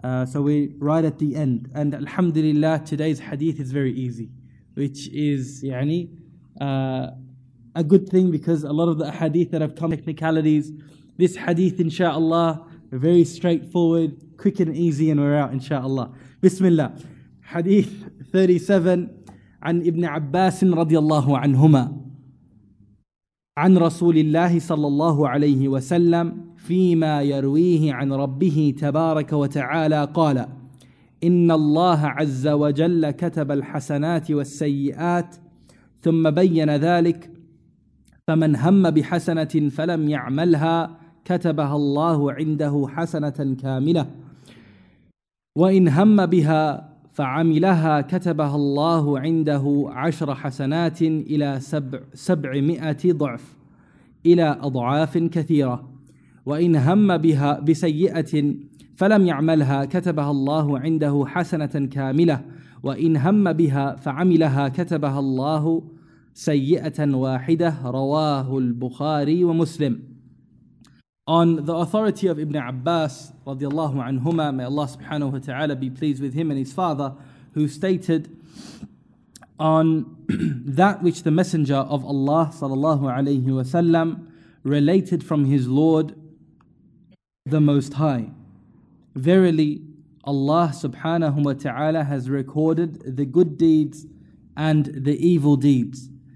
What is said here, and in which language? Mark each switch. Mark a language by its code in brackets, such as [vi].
[en] So we're right at the end. And alhamdulillah, today's hadith is very easy, which is a good thing, because a lot of the hadith that have come, technicalities, this hadith, inshaAllah, very straightforward, quick and easy, and we're out, inshaAllah. Bismillah. [ar] Hadith 37, عن ابن عباس رضي الله عنهما عن رسول الله صلى الله عليه وسلم فيما يرويه عن ربه تبارك وتعالى قال إن الله عز وجل كتب الحسنات والسيئات ثم بين ذلك فمن هم بحسنة فلم يعملها كتبها الله عنده حسنة كاملة وإن هم بها فعملها كتبها الله عنده عشر حسنات إلى سبعمائة ضعف إلى أضعاف كثيرة وإن هم بها بسيئة فلم يعملها كتبها الله عنده حسنة كاملة وإن هم بها فعملها كتبها الله سيئة واحدة رواه البخاري ومسلم. [en] On the authority of Ibn Abbas رضي الله عنهما, may Allah subhanahu wa ta'ala be pleased with him and his father, who stated, on that which the Messenger of Allah sallallahu alayhi wa sallam related from his Lord the Most High, verily Allah subhanahu wa ta'ala has recorded the good deeds and the evil deeds.